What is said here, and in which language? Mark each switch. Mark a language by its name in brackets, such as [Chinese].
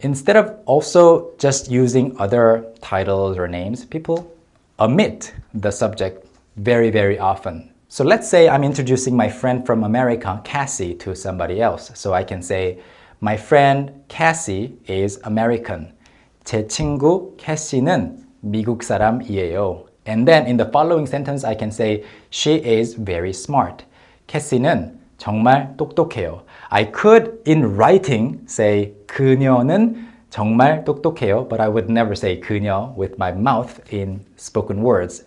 [English] Instead of also just using other titles or names, people omit the subject very, very often. So let's say I'm introducing my friend from America, Cassie, to somebody else. So I can say, my friend Cassie is American. [Korean] 제 친구 캐시는 미국 사람이에요. [English] And then in the following sentence, I can say, she is very smart. [Korean] 캐시는 정말 똑똑해요. [English] I could, in writing, say [Korean] 그녀는 정말 똑똑해요, [English] but I would never say 그녀 with my mouth in spoken words.